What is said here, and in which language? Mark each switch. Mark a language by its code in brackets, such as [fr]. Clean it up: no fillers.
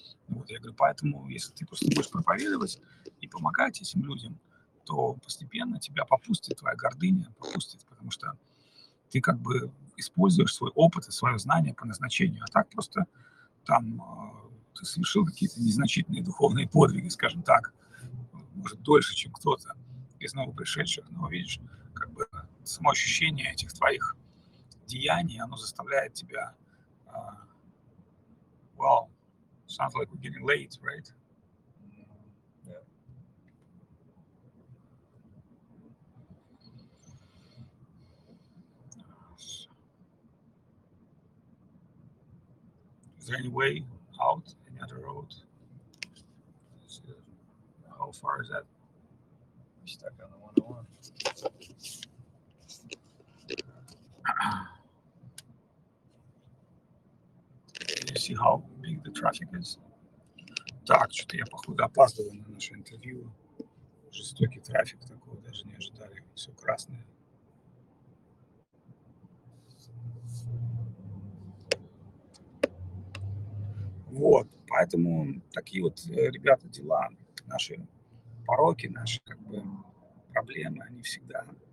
[ru] Вот, я говорю, поэтому, если ты просто будешь проповедовать и помогать этим людям, то постепенно тебя попустит, твоя гордыня попустит, потому что ты как бы используешь свой опыт и свое знание по назначению, а так просто там ты совершил какие-то незначительные духовные подвиги, скажем так, может, дольше, чем кто-то из новопришедших, но видишь, как бы самоощущение этих твоих деяний, оно заставляет тебя... [en] Well, sounds like we're getting late, right? Is there any way out, any other road? How far is that? We're stuck on the 101. You see how big the traffic is? [ru] Так, что-то я, походу, опаздываю на наше интервью. Жестокий трафик, такого даже не ожидали. Все красное. Вот, поэтому такие вот, ребята, дела, наши пороки, наши как бы проблемы, они всегда